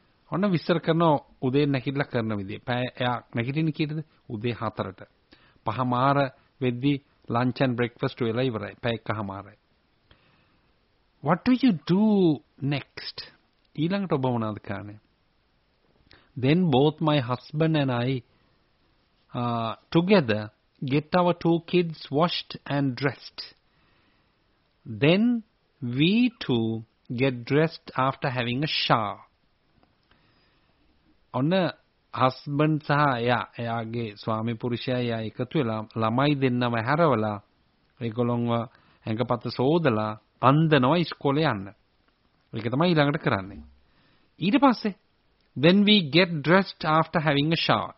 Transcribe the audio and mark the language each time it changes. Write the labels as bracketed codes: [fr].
[si] ඔන්න විස්තර කරන උදේ නැගිටලා කරන විදිය නැගිටින්න කීයටද උදේ 4ට පහමාර වෙද්දී lunch and breakfast වෙලා ඉවරයි පැයකමාරයි [en] What do you do next? [si] ඊළඟට ඔබ මොනවද කරන්නේ? [en] Then both my husband and I together get our two kids washed and dressed. Then we too get dressed after having a shower. [si] ඔන්න husband සහ එයාගේ ස්වාමි පුරුෂයා එයා එකතු වෙලා ළමයි දෙන්නම හැරවලා ඒගොල්ලොන්ව ඇඟපත සෝදලා අන්දනවා ඉස්කෝලේ යන්න. ඒක තමයි ඊළඟට කරන්නේ. ඊට පස්සේ [en] when we get dressed after having a shower.